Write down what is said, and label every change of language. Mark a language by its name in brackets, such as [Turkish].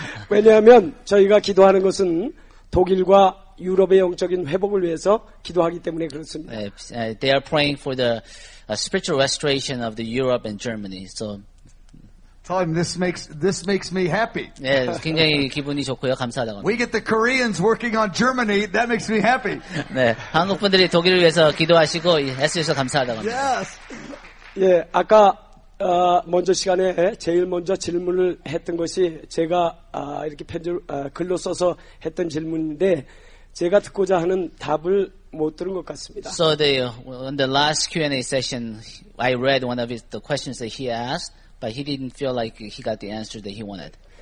[Korean] 왜냐하면 저희가 기도하는 것은 독일과 유럽의 영적인 회복을 위해서 기도하기 때문에 그렇습니다. [English] They are praying for the spiritual restoration of the Europe and Germany. So, Tom, this makes me happy. [Korean] 네, 굉장히 기분이 좋고요. 감사하다고. [English] We get the Koreans working on Germany. That makes me happy. [Korean] 네, 한국 분들이 독일을 위해서 기도하시고 애쓰셔서 감사하다고. [English] Yes. [Korean] 예, 아까 먼저 시간에 제일 먼저 질문을 했던 것이 제가 이렇게 글로 써서 했던 질문인데 제가 듣고자 하는 답을 못 들은 것 같습니다. [English] So on the last Q&A session, I read one of the questions that he asked, but he didn't feel like he got the answer that he wanted.